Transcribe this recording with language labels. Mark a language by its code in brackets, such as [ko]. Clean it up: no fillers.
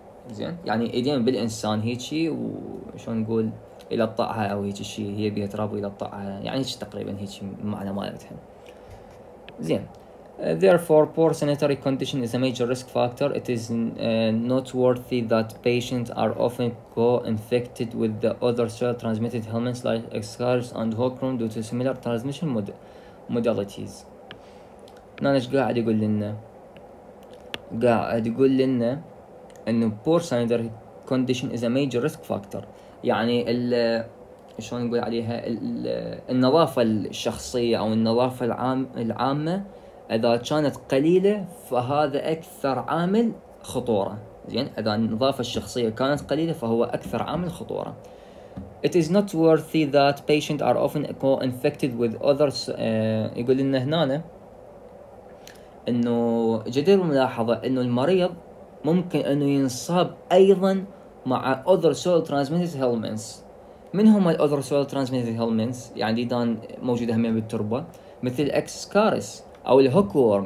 [ar] زين يعني ايدين بالانسان هيجي، وشون نقول يلطعها او هيجي شيء، هي بيها تراب ويلطعها يعني هيجي تقريبا، هيجي معنى مالتهم. [en] زين therefore poor sanitary condition is a major risk factor. It is noteworthy that patients are often co-infected with the other cell transmitted helminths like escherichia and hookworm due to similar transmission modalities. [ar] نحن ايش قاعد يقول لنا؟ قاعد يقول لنا انه [en] poor sanitary condition is a major risk factor، [ar] يعني ال شلون نقول عليها، النظافه الشخصيه او النظافه العامه اذا كانت قليله فهذا اكثر عامل خطوره. زين اذا النظافه الشخصيه كانت قليله فهو اكثر عامل خطوره. [en] It is not worthy that patients are often co-infected with others. [ar] يقول لنا هنا انه جدير الملاحظه انه المريض ممكن انه ينصاب ايضا مع [en] other soil transmitted helminths. [ar] من هم [en] other soil transmitted helminths؟ [ar] يعني ديدان موجوده هم بالتربه، مثل اكسكارس او الهوكورم.